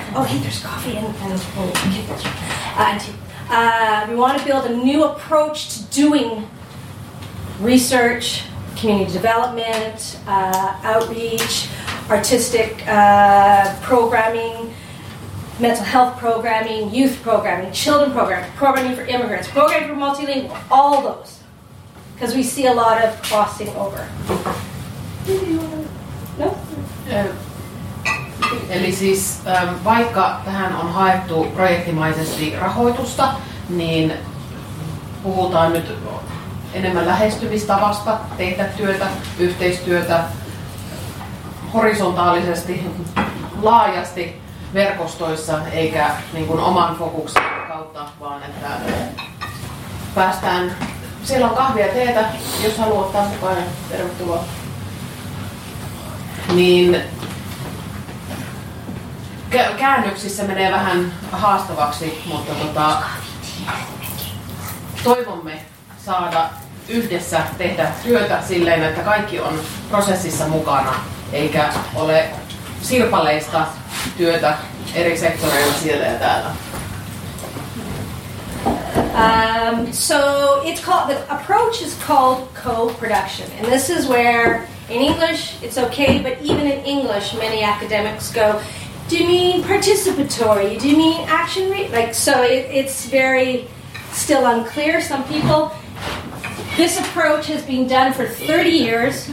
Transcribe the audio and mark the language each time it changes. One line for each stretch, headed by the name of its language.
English: Oh, hey, there's coffee and we want to build a new approach to doing research, community development, outreach, artistic programming, mental health programming, youth programming, children programming, programming for immigrants, programming for multilingual, all those. Because we see a lot of crossing over.
Finnish: Eli siis vaikka tähän on haettu projektimaisesti rahoitusta, niin puhutaan nyt enemmän lähestymistavasta, tehdä työtä, yhteistyötä horisontaalisesti, laajasti verkostoissa, eikä niin kuin oman fokuksen kautta, vaan että päästään. Siellä on kahvia teetä, jos haluat ottaa mukaan, tervetuloa. Niin käännöksissä menee vähän haastavaksi, mutta toivomme saada yhdessä tehdä työtä silleen, että kaikki on prosessissa mukana, eikä ole sirpaleista työtä eri sektoreilla siellä ja täällä.
English: So it's called, the approach is called co-production, and this is where, in English, it's okay, but even in English, many academics go, do you mean participatory, do you mean action, it's very still unclear, some people, this approach has been done for 30 years.